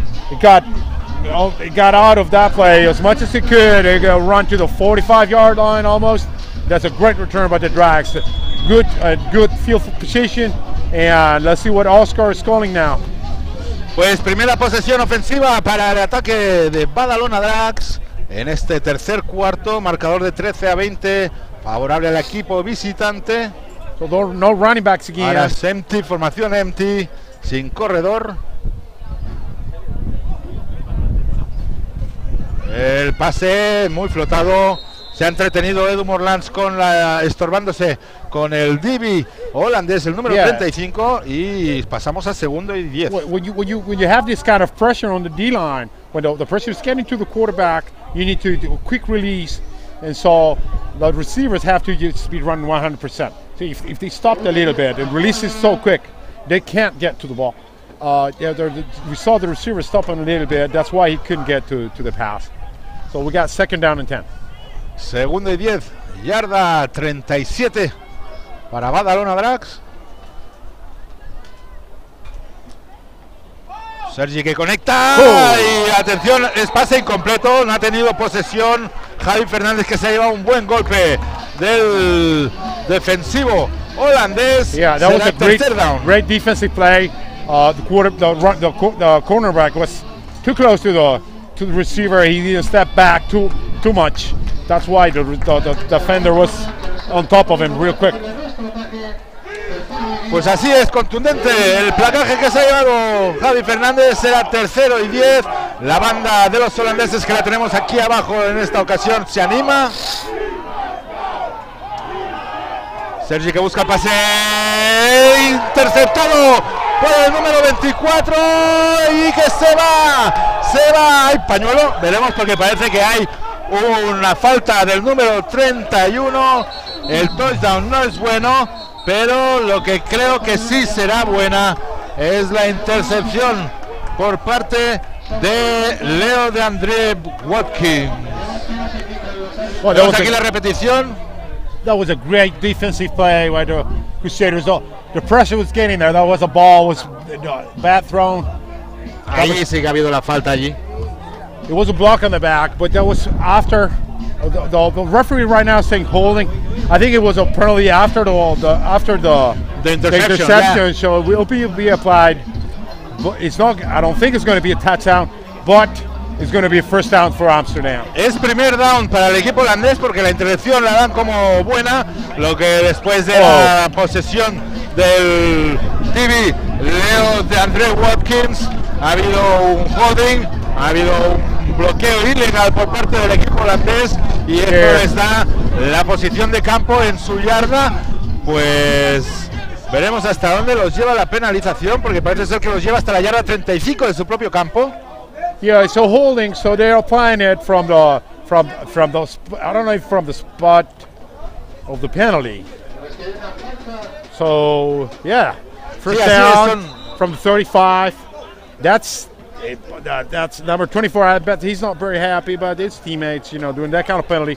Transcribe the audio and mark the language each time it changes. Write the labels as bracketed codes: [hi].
[en] He got out of that play as much as he could. He got run to the 45-yard line almost. That's a great return by the Drax. Good field position. And let's see what Oscar is calling now. [es] Pues primera posesión ofensiva para el ataque de Badalona Drax en este tercer cuarto, marcador de 13-20. Favorable al equipo visitante. [en] So no running backs again. [es] Ahora es empty, formación empty, sin corredor. El pase muy flotado. Se ha entretenido Edu Morlands con la estorbándose con el DB holandés, el número 35, y pasamos a segundo y 10. [en] When you have this kind of pressure on the D line, when the pressure is getting to the quarterback, you need to do a quick release. And so the receivers have to just be running 100%. So if they stopped a little bit, it releases so quick, they can't get to the ball. We saw the receiver stopping a little bit. That's why he couldn't get to the pass. So we got second down and 10. [es] Segundo y 10, yarda 37 para Badalona Drax. Sergi que conecta. Y atención, es pase incompleto, no ha tenido posesión. Javi Fernández que se ha llevado un buen golpe del defensivo holandés. [en] Yeah, that was a great defensive play. The cornerback was too close to the receiver. He didn't step back too much. That's why the defender was on top of him real quick. [es] Pues así es, contundente el placaje que se ha llevado Javi Fernández. Era tercero y 10. La banda de los holandeses, que la tenemos aquí abajo en esta ocasión, se anima. Sergi que busca pase. Interceptado por el número 24. Y que se va. Se va. Hay pañuelo. Veremos, porque parece que hay una falta del número 31. El touchdown no es bueno. Pero lo que creo que sí será buena es la intercepción por parte de Leo de André Watkins. Well, vemos aquí la repetición. [en] That was a great defensive play by the Crusaders. The pressure was getting there. That was a ball. Was bad thrown. [es] Ahí sí que ha habido la falta allí. [en] It was a block on the back, but that was after. The referee right now is saying holding. I think it was a penalty after the interception. Yeah. So it will be applied. But it's not. I don't think it's going to be a touchdown, but it's going to be a first down for Amsterdam. [es] Es primer down para el equipo holandés porque la intercepción la dan como buena. Lo que después de la posesión del TV Leo de André Watkins ha habido un holding, ha habido un bloqueo ilegal por parte del equipo holandés y esto está la posición de campo en su yarda. Pues veremos hasta dónde los lleva la penalización, porque parece ser que los lleva hasta la yarda 35 de su propio campo. [en] Yeah, it's a holding, so they're applying it from the spot of the penalty. So, yeah, first down from 35. That's number 24. I bet he's not very happy about his teammates, you know, doing that kind of penalty.